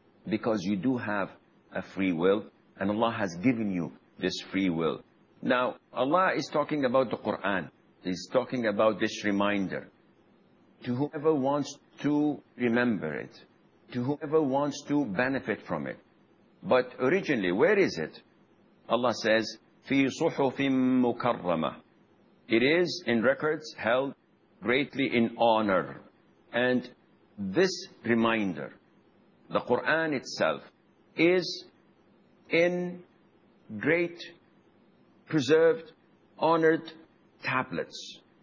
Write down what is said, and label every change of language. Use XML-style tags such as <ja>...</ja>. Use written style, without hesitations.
<en>Because you do have a free will. And Allah has given you this free will. Now, Allah is talking about the Quran. He's talking about this reminder. To whoever wants to remember it. To whoever wants to benefit from it. But originally, where is it? Allah says,</en> <ar>في صحف مكرمة.</ar> <en>It is in records held greatly in honor. And this reminder, the Quran itself, is in great, preserved, honored tablets.</en>